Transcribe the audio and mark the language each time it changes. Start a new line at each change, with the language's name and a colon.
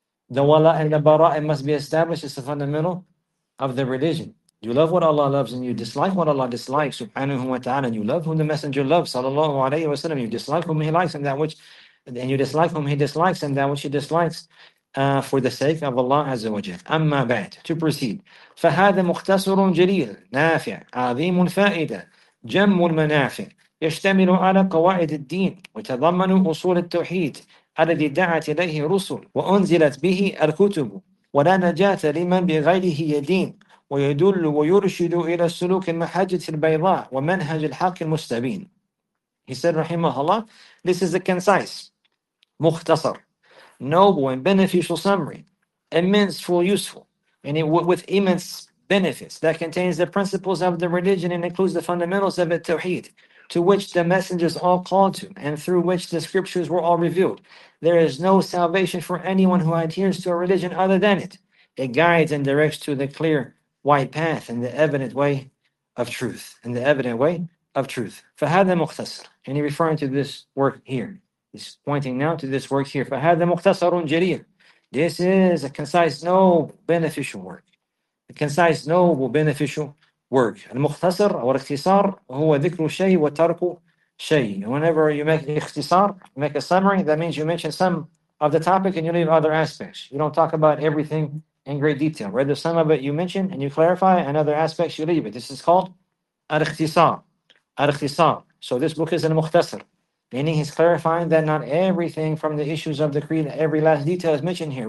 English: The wala and the bara, it must be established as the fundamental of the religion. You love what Allah loves and you dislike what Allah dislikes, subhanahu wa ta'ala. You love whom the Messenger loves, sallallahu alayhi wa sallam. You dislike whom he likes and that which, and you dislike whom he dislikes and that which he dislikes, for the sake of Allah Azza wa Jalla. Amma ba'd, to proceed.
Arabic: فَهَذَا مُخْتَصُرٌ جَلِيلٌ نَافِعٌ عَظِيمُ الْفَائِدَةِ جَمُّ الْمَنَافِعِ يَشْتَمِلُ عَلَى قَوَاعِدِ الدِّينِ وَتَضَمَّنُ أُصُولَ التَّوْحِيدِ الَّذِي دَعَتْ إِلَيْهِ الرُّسُلُ وَأُنْزِلَتْ بِهِ الْكُتُبُ وَلَا نَجَاةَ لِمَنْ بِغَيْرِهِ يَدِينُ ويدل ويرشد إلى السلوك المحجة البيضاء ومنهج الحق المستبين.
English: He said, رحمه الله, this is a concise, مختصر, noble and beneficial summary, immensely useful, and with immense benefits, that contains the principles of the religion and includes the fundamentals of the Tawheed, to which the messengers all called to, and through which the scriptures were all revealed. There is no salvation for anyone who adheres to a religion other than it. It guides and directs to the clear white path and the evident way of truth. And the evident way of truth.
Arabic: فَهَذَا مُخْتَصَرٌ.
English: And he's referring to this work here. He's pointing now to this work here.
Arabic: فَهَذَا مُخْتَصَرٌ جَلِيلٌ.
English: This is a concise, noble, beneficial work. A concise, noble, beneficial work.
Arabic: المختصر أو الاختصار هو ذكر شيء وترك شيء.
English: Whenever you make اختصار, make a summary, that means you mention some of the topic and you leave other aspects. You don't talk about everything in great detail. Rather, some of it you mention and you clarify, and other aspects you leave it. This is called al-ikhtisar. Al-ikhtisar. So this book is al-mukhtasar, meaning he's clarifying that not everything from the issues of the creed, every last detail is mentioned here.